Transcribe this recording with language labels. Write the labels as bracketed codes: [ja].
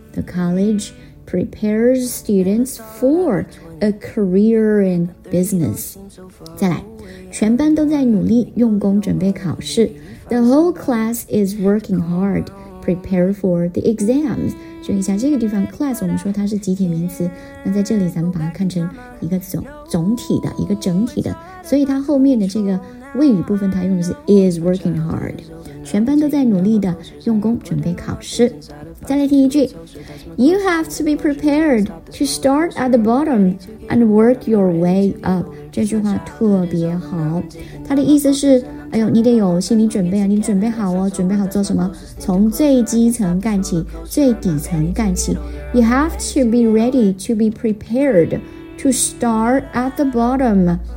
[en] The college prepares students for a career in business. [zh] 再来，全班都在努力用功准备考试。 [en] The whole class is working hard. Prepare for the exams. [zh] 注意一下这个地方 class 我们说它是集体名词，那在这里咱们把它看成一个 总体的一个整体的，所以它后面的这个谓语部分它用的是 is working hard。全班都在努力的用功准备考试。 [en] 再来第一句， You have to be prepared to start at the bottom and work your way up. 这句话特别好，它的意思是 [zh] 哎呦，你得有心理准备啊，你准备好哦，准备好做什么？从最基层干起，最底层干起。 [en] You have to be ready to be prepared to start at the bottom.